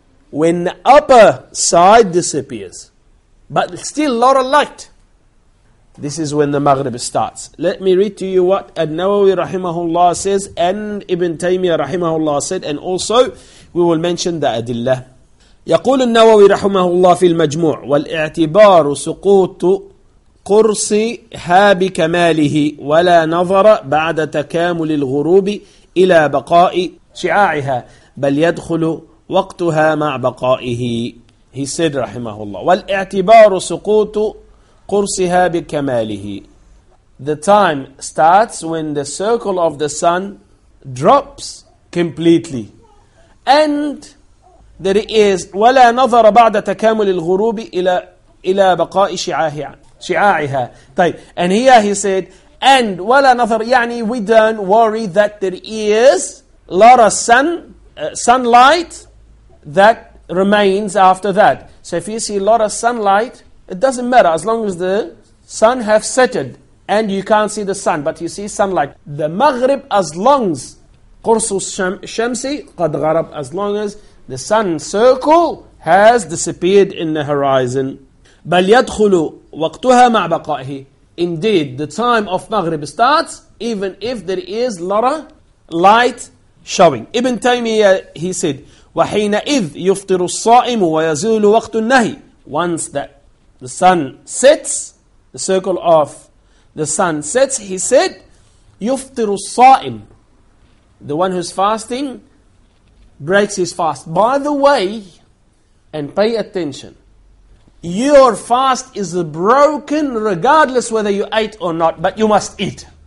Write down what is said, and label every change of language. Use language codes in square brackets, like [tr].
[en] When the upper side disappears, but still a lot of light, this is when the Maghrib starts. Let me read to you what An-Nawawi rahimahullah says, and Ibn Taymiyyah rahimahullah said, and also we will mention the Adillah. [ar] يقول النووي رحمه الله في المجموع والاعتبار سقوط قرص هابك ماله ولا نظر بعد تكامل الغروب إلى بقاء شعاعها بل يدخل وقتها مع بقائه. [en] He said [ar] رحمه الله والاعتبار سقوط قرص هابك ماله. [en] The time starts when the circle of the sun drops completely, and there is [ar] ولا نظر بعد تكامل الغروب إلى بقاء شعاعها. [en] طيب, and here he said, and [ar] ولا نظر, [en] يعني we don't worry that there is lot of sunlight that remains after that. So if you see lot of sunlight, it doesn't matter as long as the sun have setted and you can't see the sun, but you see sunlight. The Maghrib, as long as [ar] قرص الشمس قد غرب, [en] as long as the sun circle has disappeared in the horizon. [ar] بَلْ يَدْخُلُ وَقْتُهَا مَعْ بَقَائِهِ. [en] Indeed, the time of Maghrib starts even if there is lot of light showing. [ar] Ibn Taymiyyah, [en] he said, [ar] وَحِينَئِذْ يُفْطِرُ الصَّائِمُ وَيَزُولُ وَقْتُ النَّهِي. [en] Once that the sun sets, the circle of the sun sets, he said, [ar] يُفْطِرُ الصَّائِمُ. [en] The one who's fasting breaks his fast. By the way, and pay attention, your fast is broken regardless whether you ate or not, but you must eat.